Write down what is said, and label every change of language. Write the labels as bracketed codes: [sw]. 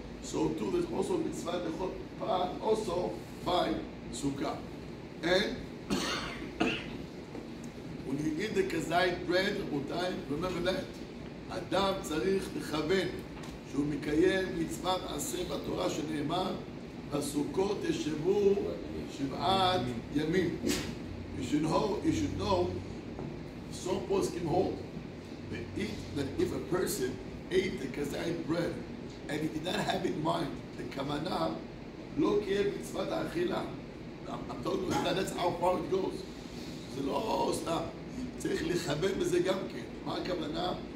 [en] So too, there's also מצווה לאכול פת, also by סוכה. And when you eat the kazayit bread, remember that. [he] Adam צריך לכוון שהוא מקיים מצוות עשה בתורה שנאמר בסוכות ישבו שבעת ימים. [en] You should know some poskim hold that if a person ate the kazayit bread and he did not have in mind the kavana, לא קיים מצוות האכילה. I'm talking about that, that's how far it goes. [he] זה לא סתם, צריך לכבד בזה גם כן. מה הכוונה?